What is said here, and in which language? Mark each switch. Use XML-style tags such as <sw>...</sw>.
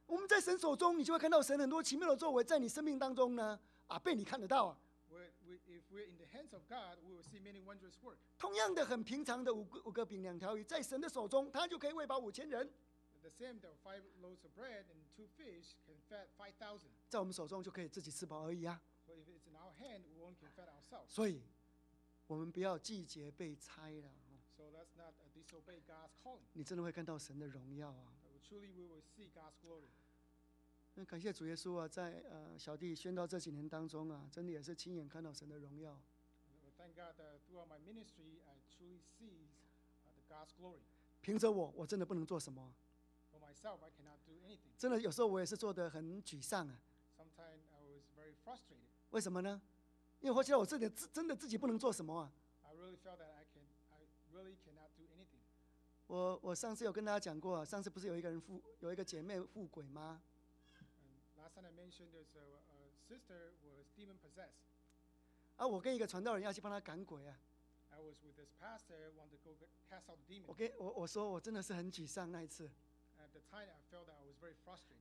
<zh>我们在神手中，你就会看到神很多奇妙的作为在你生命当中呢，啊，被你看得到啊。</zh> <en>If we're in the hands of God, we will see many wondrous work.</en> <zh>同样的，很平常的五个饼两条鱼，在神的手中，他就可以喂饱五千人。</zh> <en>The same, the 5 loaves of bread and 2 fish can feed 5,000.</en> <zh>在我们手中就可以自己吃饱而已啊。</zh> <en>So if it's in our hand, we only can feed ourselves.</en> <zh>所以，我们不要拒绝被差了。</zh> <en>So let's not disobey God's calling.</en> <zh>你真的会看到神的荣耀啊！</zh> <en>Truly, we will see God's glory.</en> <zh>那感谢主耶稣啊，在小弟宣道这几年当中啊，真的也是亲眼看到神的荣耀。</zh> <en>Thank God, throughout my ministry, I truly see the God's glory.</en> <zh>凭着我真的不能做什么。</zh> <en>For myself, I cannot do anything.</en> <zh>真的有时候我也是做得很沮丧啊。</zh> <en>Sometimes I was very frustrated.</en> <zh>为什么呢？因为我觉得我真的自己不能做什么啊。</zh> <en>I really felt that I really cannot do anything.</en> <zh>我上次有跟大家讲过、啊、上次不是有一个姐妹附鬼吗？</zh> <en>Last time I mentioned there's a sister was demon possessed.</en> <zh>啊，我跟一个传道人要去帮她赶鬼啊。</zh> <en>I was with this pastor want to go cast out the demon.</en> <zh>我说我真的是很沮丧那一次。</zh> <en>At the time I felt that I was very frustrated.</en>